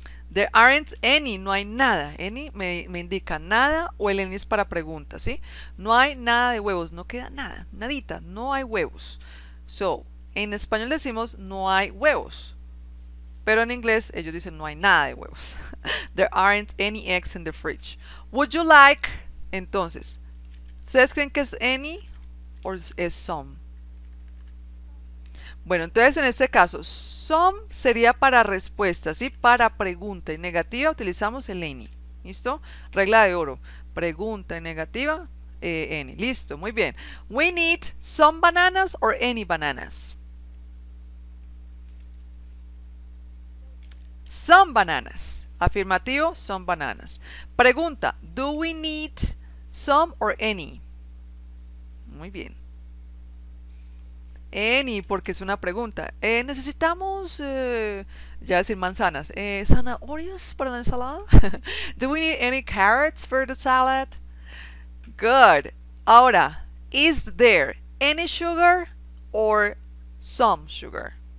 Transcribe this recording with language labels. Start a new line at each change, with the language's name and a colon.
English: There aren't any,
Spanish: no hay nada. Any me indica nada o el any es para preguntas, ¿sí? No hay nada de huevos, no queda nada, nadita, no hay huevos. So, en español decimos no hay huevos. Pero en inglés ellos dicen no hay nada de huevos.
English: There aren't any eggs in the fridge. Would you like,
Spanish: entonces, ¿ustedes creen que es any o es some? Bueno, entonces en este caso, some sería para respuesta, ¿sí? Para pregunta. En negativa utilizamos el any. ¿Listo? Regla de oro. Pregunta en negativa, any. Listo, muy bien.
English: We need some bananas or any bananas. Some bananas. Afirmativo, some bananas. Pregunta, do we need some or any?
Spanish: Muy bien. Any, porque es una pregunta. ¿Necesitamos, ya decir manzanas, zanahorias para la ensalada?
English: Do we need any carrots for the salad? Good. Ahora, is there any sugar or some sugar?